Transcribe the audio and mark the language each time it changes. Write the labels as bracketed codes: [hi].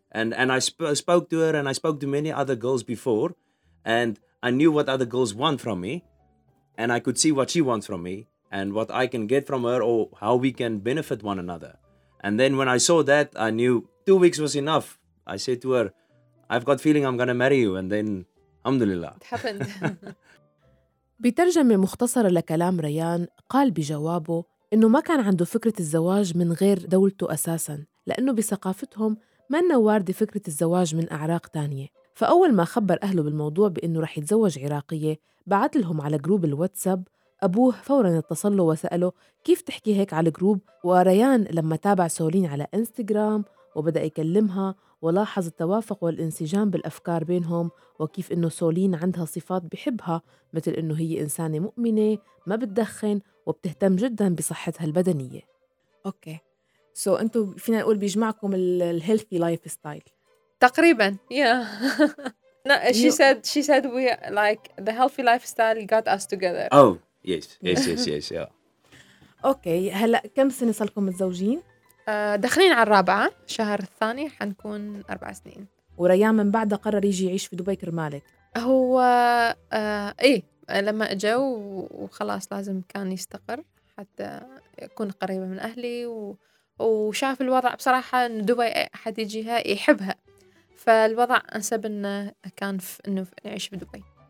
[en] And I spoke to her, and I spoke to many other girls before, and I knew what other girls want from me, and I could see what she wants from me, and what I can get from her, or how we can benefit one another. And then when I saw that, I knew 2 weeks was enough. I said to her, I've got feeling I'm going to marry you. And then, alhamdulillah. It happened. [ar] بترجمة مختصرة لكلام ريان قال بجوابه إنه ما كان عنده فكرة الزواج من غير دولته أساساً لأنه بثقافتهم منا واردة فكرة الزواج من أعراق تانية فأول ما خبر أهله بالموضوع بإنه رح يتزوج عراقية بعت لهم على جروب الواتساب أبوه فوراً اتصل له وسأله كيف تحكي هيك على جروب وريان لما تابع سولين على إنستغرام وبدأ يكلمها ولاحظ التوافق والانسجام بالأفكار بينهم وكيف إنه سولين عندها صفات بحبها مثل إنه هي إنسانة مؤمنة ما بتدخن وبتهتم جداً بصحتها البدنية أوكي سو أنتو فينا نقول بيجمعكم الهيلثي لايف ستايل تقريباً [en] yeah she said we like the healthy lifestyle got us together oh yes yeah [ar] أوكي هلأ كم سنة صلكم متزوجين؟ دخلين على الرابعة شهر الثاني حنكون 4 سنين وريان من بعدها قرر يجي يعيش في دبي كرمالك هو إيه لما أجا وخلاص لازم كان يستقر حتى يكون قريبة من أهلي وشاف الوضع بصراحة إن دبي حد يجيها يحبها فالوضع أنسب إنه كان إنه نعيش في دبي